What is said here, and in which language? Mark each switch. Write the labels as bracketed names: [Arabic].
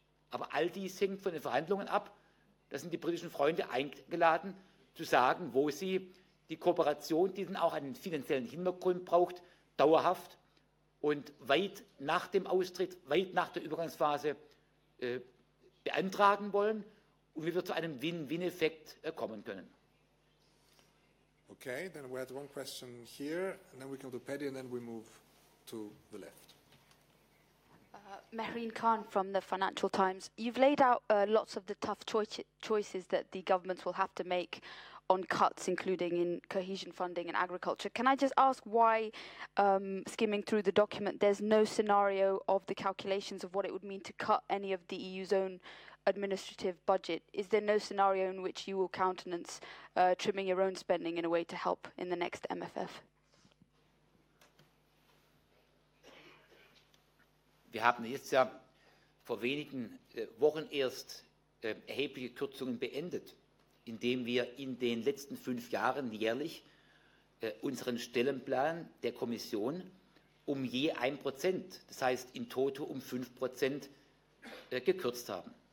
[German] Aber all dies hängt von den Verhandlungen ab. Da sind die britischen Freunde eingeladen, zu sagen, wo sie die Kooperation, die dann auch einen finanziellen Hintergrund braucht, dauerhaft und weit nach dem Austritt, weit nach der Übergangsphase beantragen wollen und wie wir zu einem Win-Win-Effekt kommen können. [English] Okay, then we had one question here, and then we come to Paddy, and then we move to the left. Mehreen Khan from the Financial Times. You've laid out lots of the tough choices that the governments will have to make on cuts, including in cohesion funding and agriculture. Can I just ask why, skimming through the document, there's no scenario of the calculations of what it would mean to cut any of the EU's own administrative budget? Is there no scenario in which you will countenance trimming your own spending in a way to help in the next MFF? [German] Wir haben jetzt ja vor wenigen Wochen erst erhebliche Kürzungen beendet, indem wir in den letzten 5 Jahren jährlich unseren Stellenplan der Kommission um je 1%, das heißt in toto um 5% gekürzt haben.